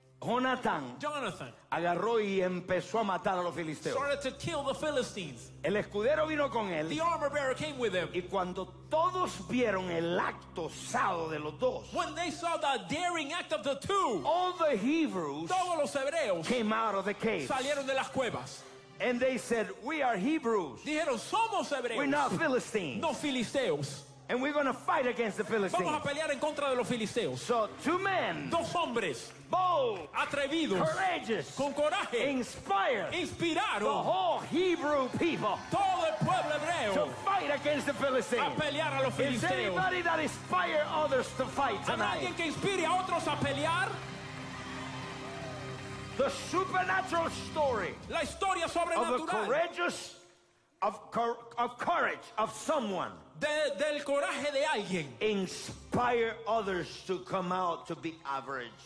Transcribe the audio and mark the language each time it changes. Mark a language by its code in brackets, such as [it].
[es] Jonathan agarró y empezó a matar a los filisteos. [en] Started to kill the Philistines. [es] El escudero vino con él. [en] The armor bearer came with him. [es] Y cuando todos vieron el acto osado de los dos, [en] when they saw the daring act of the two, all the Hebrews, [es] todos los hebreos, [en] came out of the caves. [es] Salieron de las cuevas. [en] And they said, "We are Hebrews." [es] Dijeron, somos hebreos. [en] We're not Philistines. [es] No filisteos. [en] And we're going to fight against the Philistines. [es] Vamos a pelear en contra de los filisteos. [en] So two men, [es] dos hombres, [en] bold, [es] atrevidos, [en] courageous, [es] con coraje, [en] inspired, [es] inspiraron [en] the whole Hebrew people, [es] todo el pueblo hebreo, [en] to fight against the Philistines. [es] A pelear a los filisteos. [en] Is anybody that inspire others to fight tonight? [es] ¿Hay alguien que inspire a otros a pelear? [en] The supernatural story, [es] la historia sobrenatural, [en] of a courageous, of courage of someone. [es] Del coraje de alguien. [en] Inspire others to come out to be average.